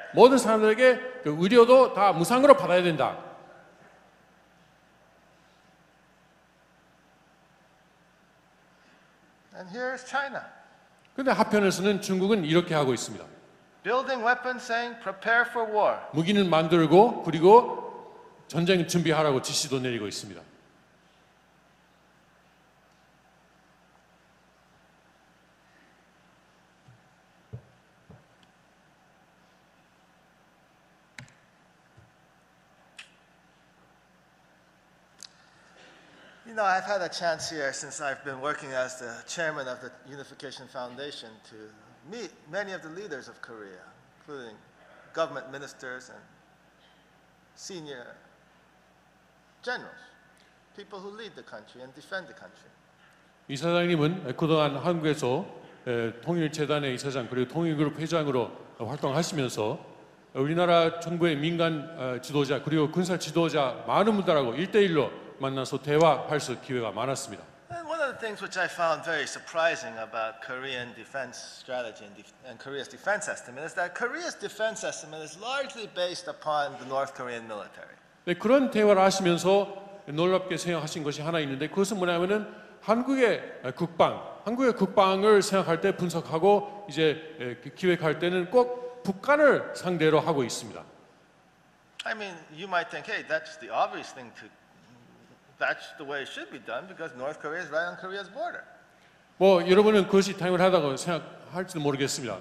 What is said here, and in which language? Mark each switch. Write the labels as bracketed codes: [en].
[ko] 모든 사람들에게 그 의료도 다 무상으로 받아야 된다. [en] And here is China. [ko] 근데 하편에서는 중국은 이렇게 하고 있습니다. [en] Building weapons saying prepare for war. [ko] 무기는 만들고 그리고 전쟁 준비하라고 지시도 내리고 있습니다. [en] You know, I've had a chance here since I've been working as the chairman of the Unification Foundation to meet many of the leaders of Korea, including government ministers and senior generals, people who lead the country and defend the country. [ko] 이사장님은 그동안 한국에서 통일재단의 이사장 그리고 통일그룹 회장으로 활동하시면서 우리나라 정부의 민간 지도자 그리고 군사 지도자 많은 분들하고 1대1로 만나서 대화할 수 기회가 많았습니다. [en] And one of the the things which I found very surprising about Korean defense strategy and Korea's defense estimate is that Korea's defense estimate is largely based upon the North Korean military. [ko] 네, 그런 대화를 하시면서 놀랍게 생각하신 것이 하나 있는데 그것은 뭐냐면은 한국의 국방, 한국의 국방을 생각할 때 분석하고 이제 기획할 때는 꼭 북한을 상대로 하고 있습니다. [en] I mean, you might think, hey, that's the obvious thing to. That's the way it should be done because North Korea is right on Korea's border. [ko] 뭐 여러분은 그것이 당연하다고 생각할지도 모르겠습니다.